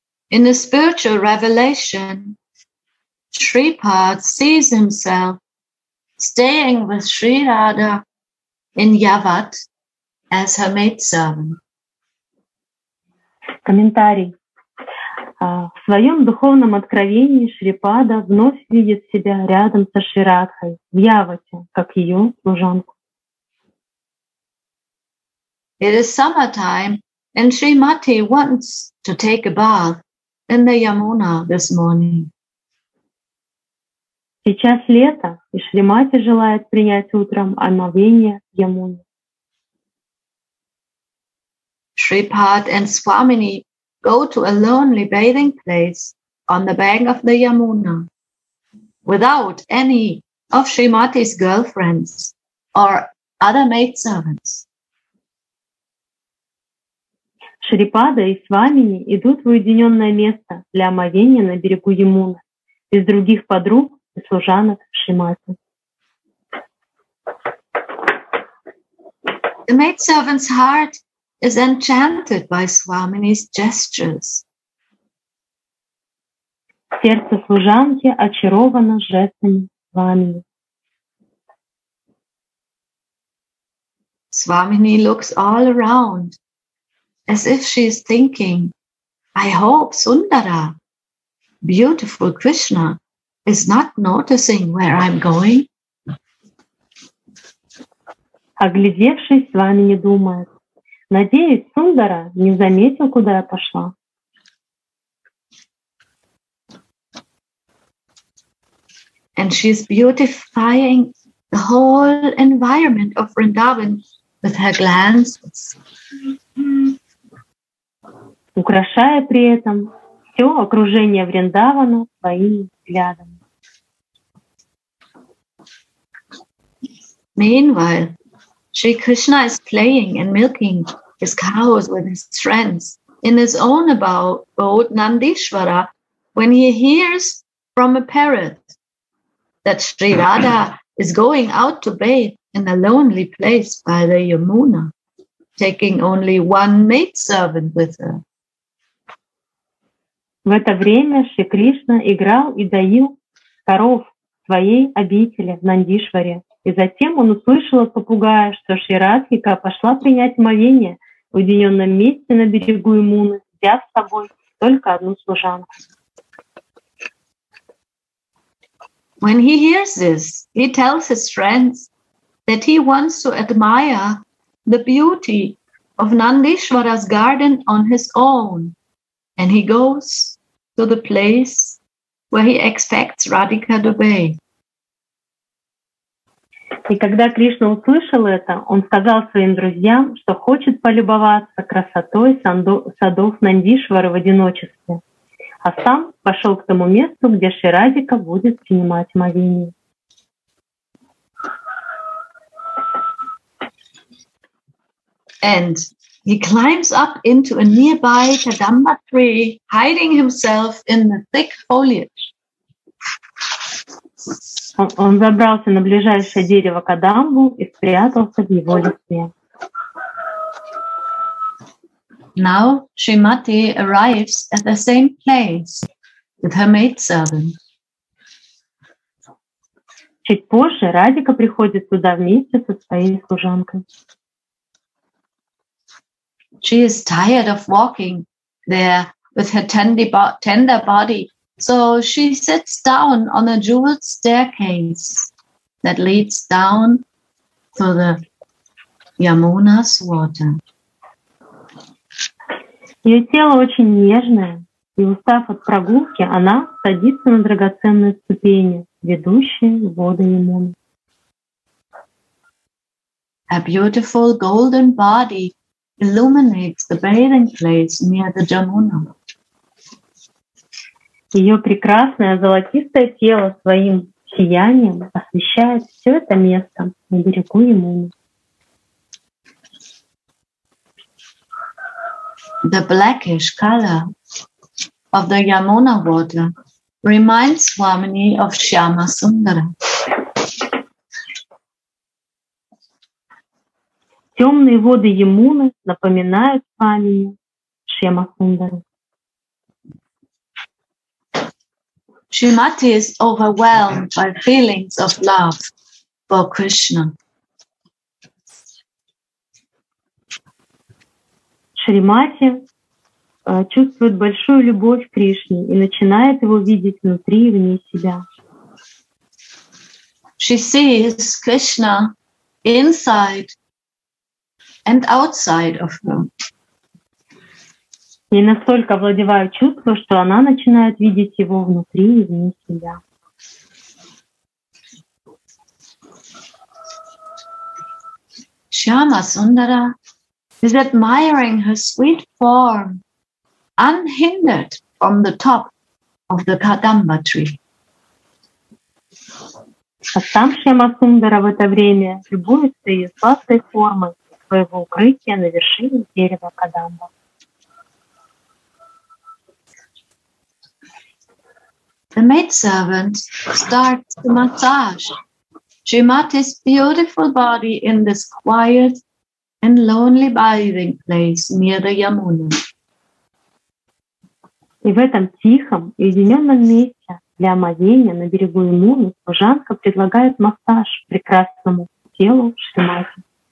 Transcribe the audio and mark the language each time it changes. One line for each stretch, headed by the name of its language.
English: In a spiritual revelation, Sripad sees himself staying with Shri Radha in Yavat as her maidservant.
Russian: Комментарий. В своем духовном откровении Шрипада вновь видит себя рядом со Шри Радхой в Явате, как ее служанку.
English: It is summertime, and Srimati wants to take a bath in the Yamuna this morning.
Russian: Сейчас лето, и Шримати желает принять утром омовение в Ямуне.
English: Sripad and Swamini go to a lonely bathing place on the bank of the Yamuna without any of Shrimati's girlfriends or other maidservants.
Russian: Шрипада и Свамини идут в уединенное место для омовения на берегу Ямуны без других подруг и служанок Шримати.
English: The maidservant's heart is enchanted by Swamini's gestures.
Russian: Сердце служанки очаровано жестами Свамини.
English: Swamini looks all around, as if she is thinking, I hope Sundara, beautiful Krishna, is not noticing where I'm going.
Russian: Оглядевшись, Свамини думает, надеюсь, Сундара не заметил, куда я пошла.
English: And she's beautifying the whole environment of Vrindavan with her glances.
Russian: Украшая при этом все окружение Вриндавана своими взглядами.
English: Meanwhile, Sri Krishna is playing and milking his cows with his friends in his own boat, Nandishvara, when he hears from a parrot that Sri Radha is going out to bathe in a lonely place by the Yamuna, taking only one maidservant with her.
Russian: В это время Шри Кришна играл и доил коров своей обители в Нандишваре. И затем он услышал от попугая, что Шри Радхика пошла принять омовение в уединенном месте на берегу Ямуны, взяв с собой только одну служанку.
English: When he hears this, he tells his friends that he wants to admire the beauty of Nandishvara's garden on his own. And he goes to the place where he expects Radhika to bathe.
Russian: И когда Кришна услышал это, он сказал своим друзьям, что хочет полюбоваться красотой садов Нандишвары в одиночестве. А сам пошел к тому месту, где Шри Радхика будет принимать омовение.
English: And he climbs up into a nearby Kadamba tree, hiding himself in the thick foliage.
Russian: Он забрался на ближайшее дерево Кадамбу и спрятался в его листве.
English: Now Shrimati arrives at the same place with her maidservant.
Russian: Чуть позже Радика приходит туда вместе со своей служанкой.
English: She is tired of walking there with her tender body, so she sits down on a jeweled staircase that leads down to the Yamuna's water.
Russian: Ее тело очень нежное, и устав от прогулки, она садится на драгоценные ступени, ведущие в воду Ямуны.
English: A beautiful golden body illuminates the bathing place near the Yamuna.
Russian: Ее прекрасное золотистое тело своим сиянием освещает все это место на берегу Ямуны.
English: The blackish color of the Yamuna water reminds Swamini of Shyama Sundara.
Russian: Темные воды Ямуны напоминают Свамини Шьяма Сундары.
English: Shrimati is overwhelmed by feelings of love for Krishna.
Russian: Shrimati чувствует большую любовь к Кришне и начинает его видеть внутри и вне себя.
English: She sees Krishna inside and outside of her.
Russian: Ей настолько овладевает чувство, что она начинает видеть его внутри и вне себя.
English: Shyama Sundara is admiring her sweet form unhindered from the top of the Kadamba tree.
Russian: А сам Шьяма Сундара в это время любуется ее сладкой формой своего укрытия на вершине дерева Кадамба.
English: The maidservant starts to massage Shrimati's beautiful body in this quiet and lonely bathing place near the Yamuna.
Russian: И в этом тихом, уединенном месте для омовения на берегу Емуны служанка предлагает массаж прекрасному телу Шримати.